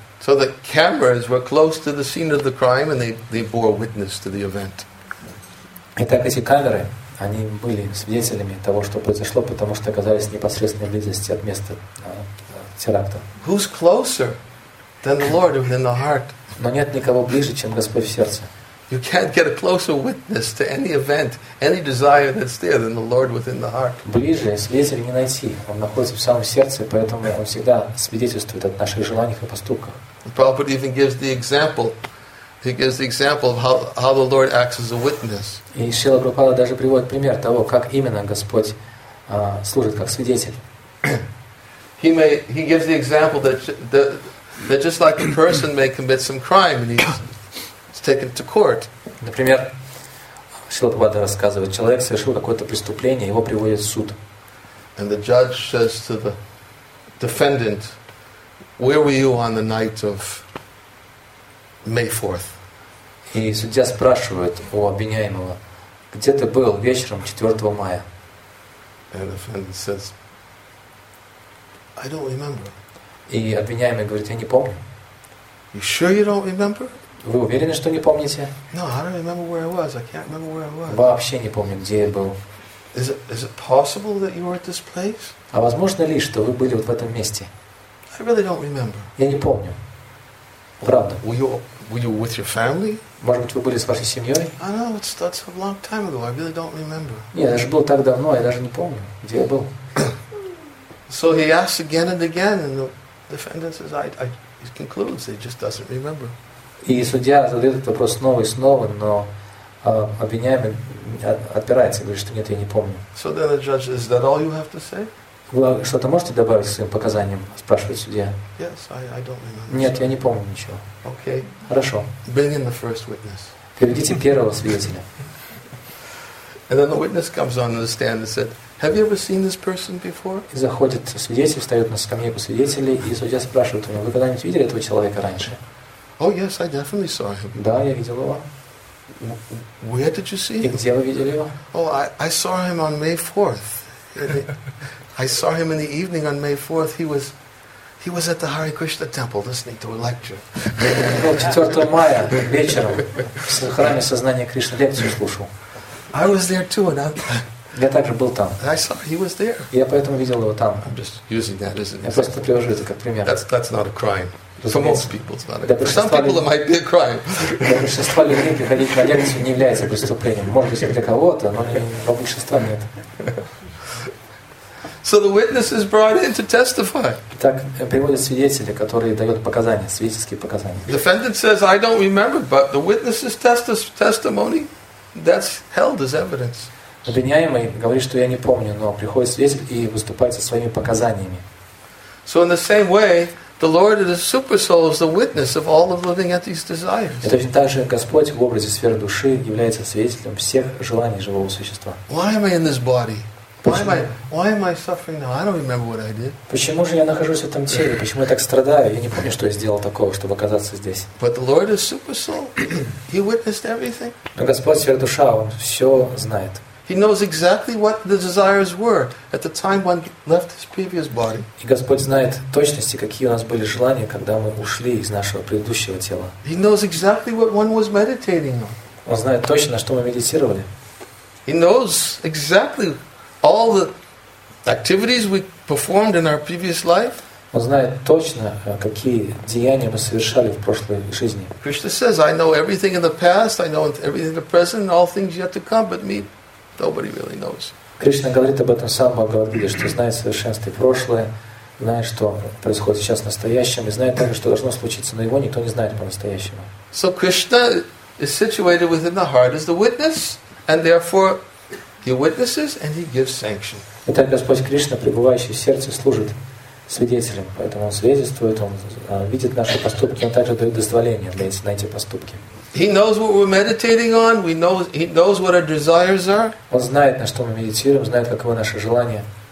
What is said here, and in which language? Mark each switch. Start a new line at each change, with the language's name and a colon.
English: So the cameras were close to the scene of the crime, and they bore witness to the event.
Russian: Итак, эти камеры, они были свидетелями того, что произошло, потому что оказались непосредственно близости от места теракта.
English: Who's closer than the Lord within the heart?
Russian: Но нет никого ближе, чем Господь в сердце.
English: You can't get a closer witness to any event, any desire that's there than the Lord within the heart.
Russian: Ближе свидетеля не найти. Он находится в самом сердце, поэтому он всегда свидетельствует о наших желаниях и поступках.
English: Prabhupada even gives the example. He gives the example of how the Lord acts as a witness.
Russian: И Шрила Прабхупада даже приводит пример того, как именно Господь служит как свидетель.
English: He gives the example that just like a person may commit some crime and he's taken to court.
Russian: Например, Шрила Прабхупада рассказывает, человек совершил какое-то преступление, его приводят в суд.
English: And the judge says to the defendant, "Where were you on the night of May 4th?"
Russian: И судья спрашивает у обвиняемого, где ты был вечером 4 мая?
English: And the defendant says, I don't remember.
Russian: И обвиняемый говорит, я не помню.
English: You sure you don't remember?
Russian: Вы уверены, что не помните?
English: No, I don't remember where I was. I can't remember where I was.
Russian: Вообще не помню, где я был.
English: Is it possible that you were at this place?
Russian: А возможно ли, что вы были вот в этом месте?
English: I really don't remember.
Russian: Я не помню. Правда.
English: Were you with your family?
Russian: Может быть, вы были с вашей семьей?
English: I know, that's a long time ago. I really don't remember.
Russian: Нет, это же было так давно, я даже не помню, где я был.
English: So he asks again and again, and the defendant says, he concludes, he just doesn't remember.
Russian: И судья задает этот вопрос снова и снова, но обвиняемый отпирается, говорит, что нет, я не помню.
English: So then the judge, is that all you have to say?
Russian: Вы что-то можете добавить своим показаниям, спрашивает судья?
English: Yes, I don't remember.
Russian: Нет, я не помню ничего.
English: Okay.
Russian: Хорошо.
English: Bring in the first witness.
Russian: Приведите первого свидетеля.
English: And then the witness comes on the stand and said, Have you ever seen this person before?
Russian: И заходит свидетель, встает на скамейку свидетелей, и судья спрашивает у него, вы когда-нибудь видели этого человека раньше?
English: Oh, yes, I definitely saw him.
Russian: Да, я видел его.
English: Where did you see him?
Russian: Где вы видели его?
English: Oh, I saw him on May 4th. I saw him in the evening on May 4th. He was at the Hare Krishna temple listening to a lecture.
Russian: 4 мая вечером в храме сознания Кришны лекцию слушал.
English: I was there too, and
Russian: я также был там.
English: I saw he was there.
Russian: Я поэтому видел его там.
English: I'm just using that as an example.
Russian: Я просто привожу это как пример.
English: That's not a crime. For most people, it's not a crime. For some people, it might be a crime.
Russian: Для большинства людей ходить на лекцию не является преступлением. Может быть, для кого-то, но для большинства нет.
English: So the witness is brought in to testify.
Russian: Так приводят свидетеля, который дает показания, свидетельские показания.
English: The defendant says, "I don't remember," but the witness's testimony, that's held as evidence.
Russian: Обвиняемый говорит, что я не помню, но приходит свидетель и выступает со своими показаниями.
English: So in the same way, the Lord of the Super Soul is the witness of all the living entities' desires.
Russian: И точно так же Господь в образе сферы души является свидетелем всех желаний живого существа.
English: Why am I in this body? Why am I suffering now? I don't remember what I did.
Russian: Почему же я нахожусь в этом теле? Почему я так страдаю? Я не помню, что я сделал такого, чтобы оказаться здесь.
English: But the Lord is super soul. He witnessed everything.
Russian: Но Господь сверхдуша, он все знает.
English: He knows exactly what the desires were at the time when he left his previous body.
Russian: И Господь знает точности, какие у нас были желания, когда мы ушли из нашего предыдущего тела.
English: He knows exactly what one was meditating on.
Russian: Он знает точно, что мы медитировали.
English: He knows exactly all the activities we performed in our previous life.
Russian: Он знает точно, какие деяния мы совершали в прошлой жизни.
English: Krishna says, "I know everything in the past, I know everything in the present, and all things yet to come, but me, nobody really knows."
Russian: Кришна говорит об этом сам Бхагавад-гите, что знает совершенство и прошлое, знает, что происходит сейчас в настоящем, и знает также, что должно случиться, но его никто не знает по-настоящему.
English: So Krishna is situated within the heart as the witness, and therefore he witnesses and he gives sanction.
Russian: Итак, Господь Кришна, пребывающий в сердце, служит свидетелем, поэтому он свидетельствует, он видит наши поступки, он также дает дозволение на эти поступки.
English: He knows what we're meditating on. He knows what our desires are.
Russian: Он знает, на что мы медитируем, знает, каково наше желание.